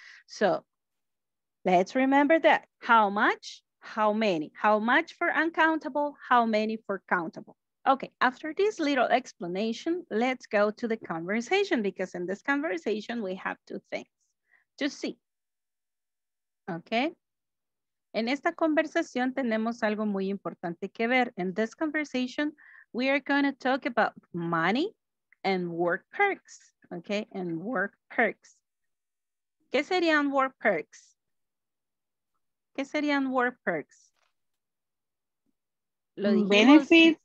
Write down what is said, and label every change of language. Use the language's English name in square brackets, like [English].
[English] So, let's remember that. How much? How many? How much for uncountable? How many for countable? Okay, after this little explanation, let's go to the conversation because in this conversation, we have two things to see. [Spanish] Ok, en esta conversación tenemos algo muy importante que ver. [English] In this conversation, we are going to talk about money and work perks. Ok, and work perks. [Spanish] ¿Qué serían [English] work perks? [Spanish] ¿Qué serían work perks? ¿Lo dijimos? Benefits.